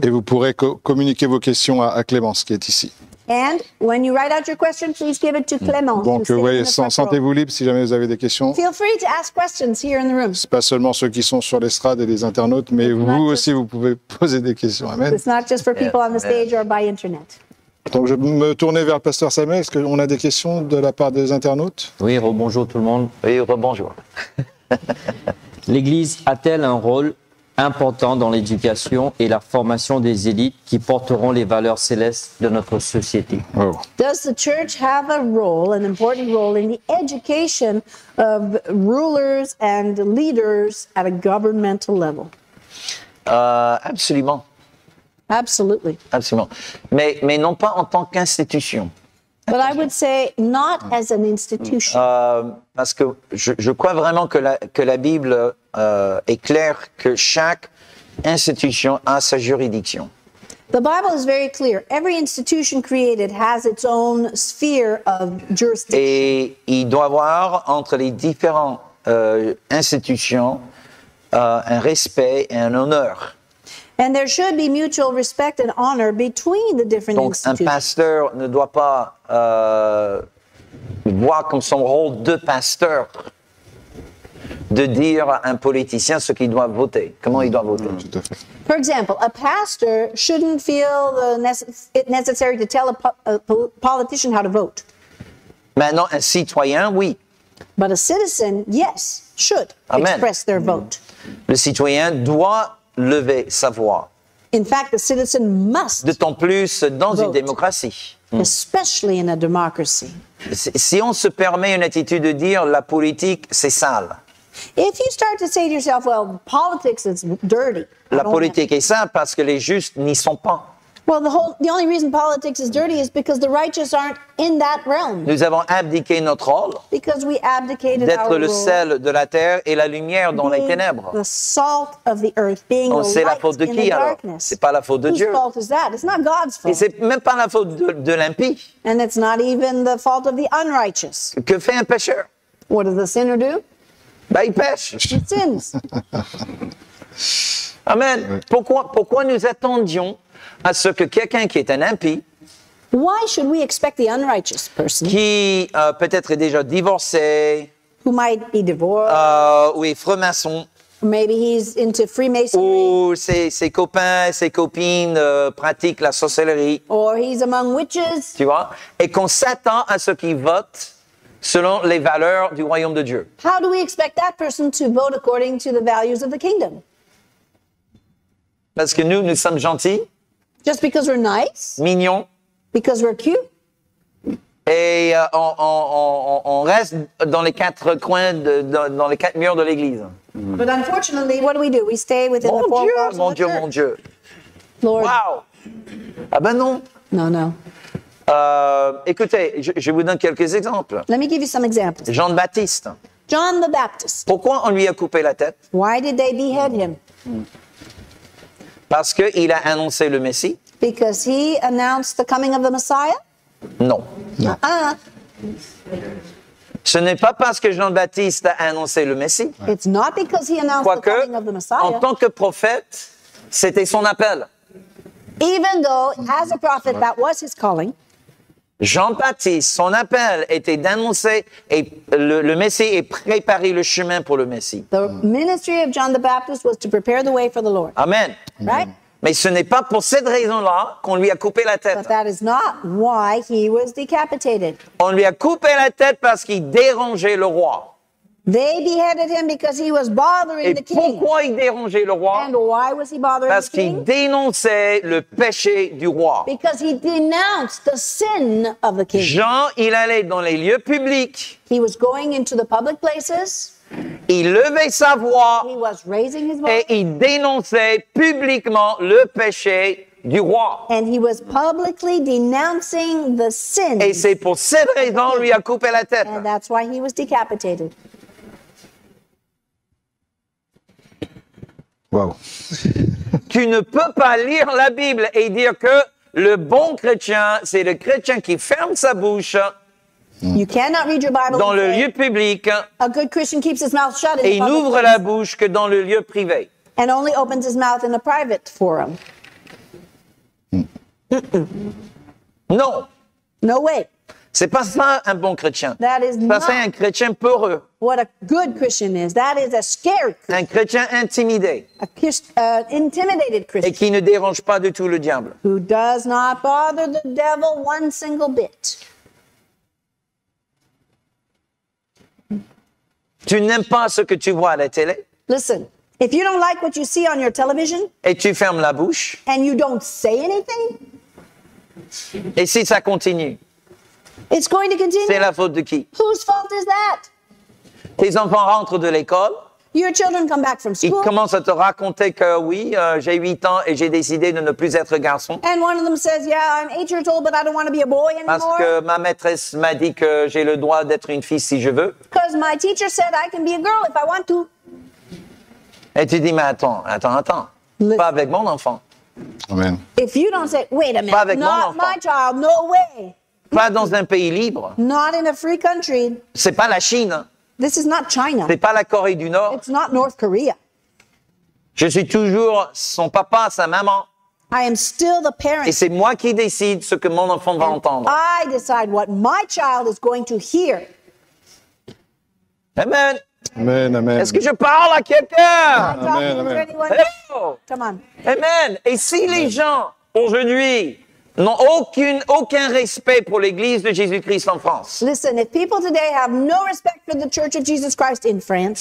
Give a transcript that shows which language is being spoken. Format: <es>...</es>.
<fr>Et vous pourrez communiquer vos questions à Clémence qui est ici.</fr> <en>And when you write out your question, please give it to Clémence.</en> <fr>Donc sentez-vous libre si jamais vous avez des questions.</fr> <en>Feel free to ask questions here in the room.</en> <fr>C'est pas seulement ceux qui sont sur l'estrade et les internautes, mais vous aussi vous pouvez poser des questions. Amen.</fr> <en>It's not just for people on the stage or by internet.</en> <fr>Donc je me tournais vers le pasteur Samuel. Est-ce qu'on a des questions de la part des internautes? Oui, rebonjour tout le monde. Oui, rebonjour. L'Église a-t-elle un rôle important dans l'éducation et la formation des élites qui porteront les valeurs célestes de notre société?</fr> <en>Does the church have a role, an important role in the education of rulers and leaders at a governmental level?</en> <fr>Absolument.</fr> <en>Absolutely.</en> <fr>Absolument. Mais non pas en tant qu'institution.</fr> <en>But I would say not as an institution.</en> <fr>Parce que je crois vraiment que la Bible est claire que chaque institution a sa juridiction.</fr> <en>The Bible is very clear. Every institution created has its own sphere of jurisdiction.</en> <fr>Et il doit avoir entre les différentes institutions un respect et un honneur.</fr> <en>And there should be mutual respect and honor between the different</en> <fr>Donc,</fr> <en>institutions.</en> <fr>Donc un pasteur ne doit pas voir comme son rôle de pasteur de dire à un politicien ce qu'il doit voter, comment il doit voter.</fr> <en>For example, a pastor shouldn't feel it necessary to tell a politician how to vote.</en> <fr>Maintenant, un citoyen, oui.</fr> <en>But a citizen, yes, should Amen. Express their vote.</en> <fr>Le citoyen doit lever sa voix.</fr> <en>In fact, the citizen must</en> <fr>D'autant plus dans</fr> <en>vote.</en> <fr>Une démocratie.</fr> <en>Especially in a democracy.</en> <fr>Si on se permet une attitude de dire la politique, c'est sale.</fr> <en>If you start to say to yourself, well, politics is dirty.</en> <fr>La politique est sale parce que les justes n'y sont pas.</fr> <en>Well, the only reason politics is dirty is because the righteous aren't in that realm.</en> <fr>Nous avons abdiqué notre rôle.</fr> <en>Because we abdicated our</en> <fr>D'être le sel de la terre et la lumière dans les ténèbres.</fr> <en>The salt of the earth, being</en> <fr>Donc,</fr> <en>a light</en> <fr>qui, in the alors?</fr> <en>Darkness.</en> <fr>C'est pas la faute de</fr> <en>Whose</en> <fr>Dieu.</fr> <en>Whose fault is that? It's not God's fault.</en> <fr>Et c'est même pas la faute de l'impie.</fr> <en>And it's not even the fault of the unrighteous.</en> <fr>Que fait un pécheur?</fr> <en>What does the sinner do?</en> <fr>Ben, il pêche.</fr> <en>He sins. Amen.</en> <fr>Pourquoi nous attendions à ce que quelqu'un qui est un impie,</fr> <en>Why should we expect the unrighteous person,</en> <fr>qui peut-être est déjà divorcé,</fr> <en>who might be divorced,</en> <fr>ou est franc-maçon,</fr> <en>maybe he's into Freemasonry,</en> <fr>ou ses copains, ses copines pratiquent la sorcellerie,</fr> <en>or he's among witches,</en> <fr>tu vois, et qu'on s'attend à ce qu'il vote selon les valeurs du royaume de Dieu.</fr> <en>How do we expect that person to vote according to the values of the kingdom?</en> <fr>Parce que nous sommes gentils.</fr> <en>Just because we're nice.</en> <fr>Mignon.</fr> <en>Because we're cute.</en> <fr>Et on reste dans les quatre coins, dans les quatre murs de l'église.</fr> <en>But unfortunately, what do? We stay within</en> <fr>mon</fr> <en>the four walls of the</en> <fr>Dieu, mon Dieu, mon Dieu.</fr> <en>Lord.</en> <fr>Wow. Ah ben non. Non. Écoutez, je vous donne quelques exemples.</fr> <en>Let me give you some examples.</en> <fr>Jean le Baptiste.</fr> <en>John the Baptist.</en> <fr>Pourquoi on lui a coupé la tête?</fr> <en>Why did they behead him?</en> <fr>Parce qu'il a annoncé le Messie?</fr> <en>Because he announced the coming of the Messiah?</en> <fr>Non. Non. Ce n'est pas parce que Jean le Baptiste a annoncé le Messie.</fr> <en>It's not because he announced</en> <fr>Quoique,</fr> <en>the coming of the Messiah.</en> <fr>En tant que prophète, c'était son appel.</fr> <en>Even though, as a prophet, that was his calling.</en> <fr>Jean-Baptiste, son appel était d'annoncer et le Messie et préparer le chemin pour le Messie.</fr> <en>The ministry of John the Baptist was to prepare the way for the Lord. Amen. Right?</en> <fr>Mais ce n'est pas pour cette raison-là qu'on lui a coupé la tête.</fr> <en>But that is not why he was decapitated.</en> <fr>On lui a coupé la tête parce qu'il dérangeait le roi.</fr> <en>They beheaded him because he was bothering</en> <fr>Et</fr> <en>the king.</en> <fr>Pourquoi il dérangeait le roi?</fr> <en>And why was he bothering</en> <fr>Parce</fr> <en>the king?</en> <fr>Qu'il dénonçait le péché du roi.</fr> <en>Because he denounced the sin of the king.</en> <fr>Jean, il allait dans les lieux publics.</fr> <en>He was going into the public places.</en> <fr>Il levait sa voix.</fr> <en>He was raising his voice.</en> <fr>Et il dénonçait publiquement le péché du roi.</fr> <en>And he was publicly denouncing the sin.</en> <fr>Et c'est pour cette raison qu'il lui a coupé la tête.</fr> <en>And that's why he was decapitated. Wow.</en> <fr>Tu ne peux pas lire la Bible et dire que le bon chrétien, c'est le chrétien qui ferme sa bouche</fr> <en>you cannot read your Bible</en> <fr>dans le lieu public</fr> <en>a good Christian keeps his mouth shut</en> <fr>et il n'ouvre la bouche que dans le lieu privé.</fr> <en>And only opens his mouth in a private forum.</en> <fr>Non.</fr> <en>No way.</en> <fr>C'est pas ça un bon chrétien.</fr> <en>That is</en> <fr>c'est pas ça un chrétien peureux.</fr> <en>What a good Christian is. That is a scary Christian.</en> <fr>Un chrétien intimidé.</fr> <en>Intimidated Christian.</en> <fr>Et qui ne dérange pas du tout le diable.</fr> <en>Who does not bother the devil one single bit.</en> <fr>Tu n'aimes pas ce que tu vois à la télé.</fr> <en>Listen, if you don't like what you see on your television.</en> <fr>Et tu fermes la bouche.</fr> <en>And you don't say anything.</en> <fr>Et si ça continue.</fr> <en>It's going to continue.</en> <fr>C'est la faute de qui?</fr> <en>Whose fault is that?</en> <fr>Tes enfants rentrent de l'école.</fr> <en>Your children come back from school.</en> <fr>Ils commencent à te raconter que oui, j'ai 8 ans et j'ai décidé de ne plus être garçon.</fr> <en>And one of them says, yeah, I'm 8 years old, but I don't want to be a boy anymore.</en> <fr>Parce que ma maîtresse m'a dit que j'ai le droit d'être une fille si je veux.</fr> <en>Because my teacher said I can be a girl if I want to.</en> <fr>Et tu dis, mais attends. Listen. Pas avec mon enfant. Amen.</fr> <en>If you don't say, wait a minute,</en> <fr>pas avec</fr> <en>not</en> <fr>mon enfant.</fr> <en>My child, no way.</en> <fr>Pas dans un pays libre.</fr> <en>Not in a free country.</en> <fr>C'est pas la Chine.</fr> <en>This is not China.</en> <fr>C'est pas la Corée du Nord.</fr> <en>It's not North Korea.</en> <fr>Je suis toujours son papa, sa maman.</fr> <en>I am still the parent.</en> <fr>Et c'est moi qui décide ce que mon enfant va entendre.</fr> <en>I decide what my child is going to hear. Amen. Amen, amen.</en> <fr>Est-ce que je parle à quelqu'un? Amen, amen.</fr> <en>Hello. Come on. Amen. Et si amen.</en> <fr>Les gens aujourd'hui n'ont aucun respect pour l'Église de Jésus-Christ en France.</fr> <en>Listen, if people today have no respect for the Church of Jesus Christ in France.</en>